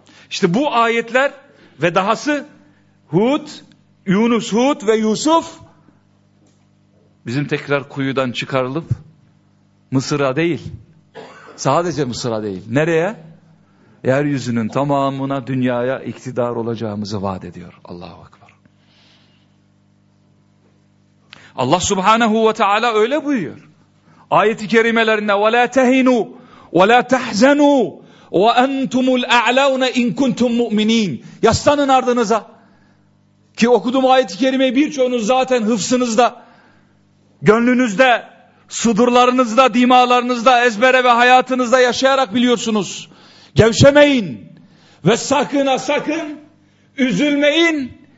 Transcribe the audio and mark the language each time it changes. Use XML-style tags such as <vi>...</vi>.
<tr>İşte bu ayetler ve dahası Hud, Yunus, Hud ve Yusuf bizim tekrar kuyudan çıkarılıp Mısır'a değil, sadece Mısır'a değil, nereye? Yeryüzünün tamamına, dünyaya iktidar olacağımızı vaat ediyor. Allahu Ekber. Allah Subhanahu ve Teala öyle buyuruyor.</tr> <ar>Ayet-i kerimelerinde وَلَا تَهِنُوا وَلَا تَحْزَنُوا وَاَنْتُمُ الْاَعْلَوْنَ اِنْ كُنْتُمْ مُؤْمِن۪ينَ.</ar> <tr>Yaslanın ardınıza. Ki okuduğum ayet-i kerimeyi birçoğunuz zaten hıfsınızda, gönlünüzde, sudurlarınızda, dimalarınızda, ezbere ve hayatınızda yaşayarak biliyorsunuz. Gevşemeyin ve sakın ha sakın üzülmeyin.</tr>